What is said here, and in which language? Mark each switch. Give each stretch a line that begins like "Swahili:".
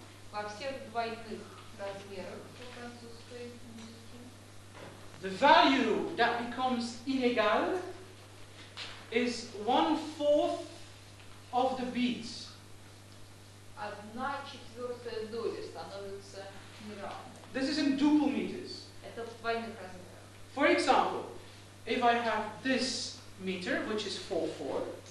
Russian: во всех двойных размерах французской музыки.
English: The value that becomes inégal is 1/4 of the beats.
Russian: Одна четвертая доля становится неравной.
English: This is in duple meters.
Russian: Это в двойных размерах.
English: For example, if I have this meter, which is 4/4.